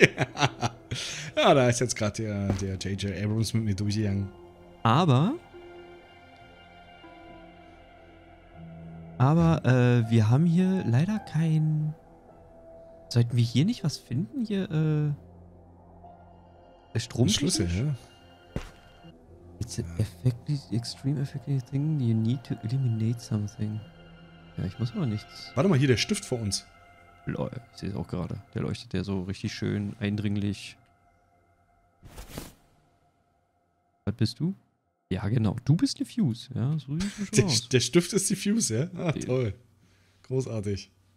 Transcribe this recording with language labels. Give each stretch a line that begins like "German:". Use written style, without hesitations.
German: ja. Ja, da ist jetzt gerade der J.J. Abrams mit mir durchgegangen. Aber, wir haben hier leider kein... Sollten wir hier nicht was finden? Hier, Stromschlüssel, ja.
English: It's an extreme effective thing. You need to eliminate something.
German: Ja, ich muss aber nichts. Warte mal, hier der Stift vor uns. Lol, ich sehe es auch gerade. Der leuchtet ja so richtig schön, eindringlich. Was bist du? Ja, genau. Du bist die Fuse. Ja, so sieht es schon aus. Der Stift ist die Fuse, ja? Ah, toll. Großartig.